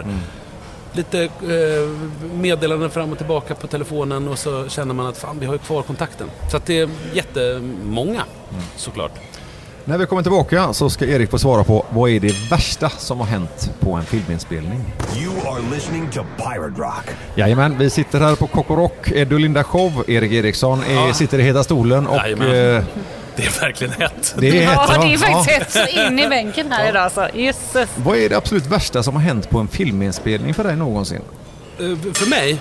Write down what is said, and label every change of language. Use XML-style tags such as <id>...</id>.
<sv>Mm. lite meddelanden fram och tillbaka på telefonen och så känner man att fan, vi har ju kvar kontakten. Så att det är jättemånga, såklart. När vi kommer tillbaka så ska Erik få svara på vad är det värsta som har hänt på en filminspelning.</sv> <en>You are listening to Pirate Rock.</en> <sv>Jajamän, vi sitter här på Coco Rock. Edu Linda Show, Erik Eriksson är, ja, sitter i heta stolen. Och, det är verkligen hett. Det är hett, ja, det är faktiskt hett in i bänken här idag. Alltså. Jesus. Vad är det absolut värsta som har hänt på en filminspelning för dig någonsin? För mig?</sv>